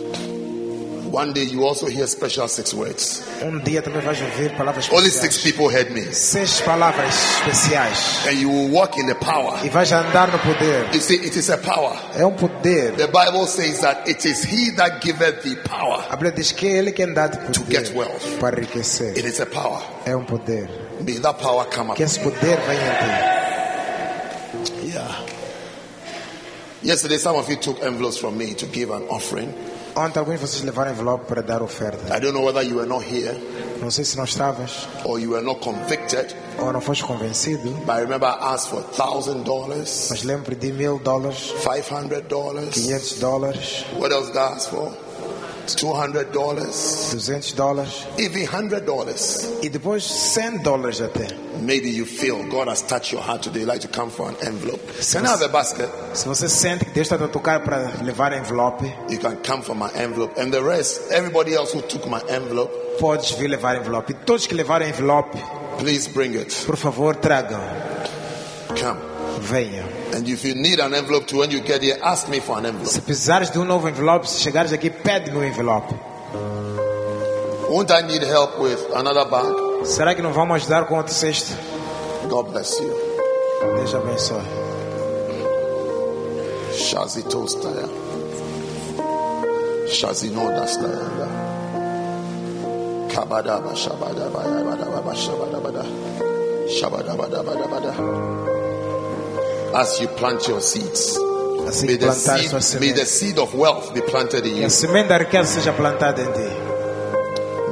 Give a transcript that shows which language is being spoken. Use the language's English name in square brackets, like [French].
[English] One day you also hear special six words. [Portuguese] Um dia também vais ouvir palavras especiais. [English] Only six people heard me. [Portuguese] Seis palavras especiais. [English] And you will walk in the power. [Portuguese] E vais andar no poder. [English] You see, it is a power. [Portuguese] É poder. [English] The Bible says that it is He that giveth the power. [Portuguese] A Bíblia diz que Ele quem dá poder. [English] To get wealth. [Portuguese] Para enriquecer. [English] It is a power. [Portuguese] É poder. [English] May that power come up. [Portuguese] Que esse poder venha em ti. [English] Yeah. Yesterday, some of you took envelopes from me to give an offering. [Portuguese] Ontem alguém vocês levaram envelope para dar oferta. [English] I don't know whether you were not here. [Portuguese] Não sei se não estavas. [English] Or you were not convicted. [Portuguese] Ou não foste convencido. [English] But I remember I asked for $1,000. [Portuguese] Mas lembro de $1,000. [English] $500. [Portuguese] $500. [English] What else did I ask for? $200. [Portuguese] $200. [English] Even $100. [Portuguese] E depois $100 até. [English] Maybe you feel God has touched your heart today. Like to come for an envelope. Can I have a basket? [Portuguese] Se você sente que Deus está a tocar para levar envelope, [English] you can come for my envelope. And the rest, everybody else who took my envelope, [Portuguese] pode vir levar envelope. Todos que levaram envelope, [English] please bring it. [Portuguese] Por favor, tragam. [English] Come. [Portuguese] Venha. [English] And if you need an envelope to when you get here, ask me for an envelope. [Portuguese] Se precisares de novo envelope, se chegares aqui, pede-me envelope. [English] Won't I need help with another bag? [Portuguese] Será que não vamos ajudar com outro cesto? [English] God bless you. [Portuguese] Deus abençoe. Shazi Tostaya. Shazi Nodastaya. Kabadaba Shabadaba Yabadaba Shabadabada. Shabadabadabadabada. [English] As you plant your seeds, [Portuguese] assim [English] may the seed of wealth be planted in you. [Portuguese] A semente da riqueza seja plantada em ti.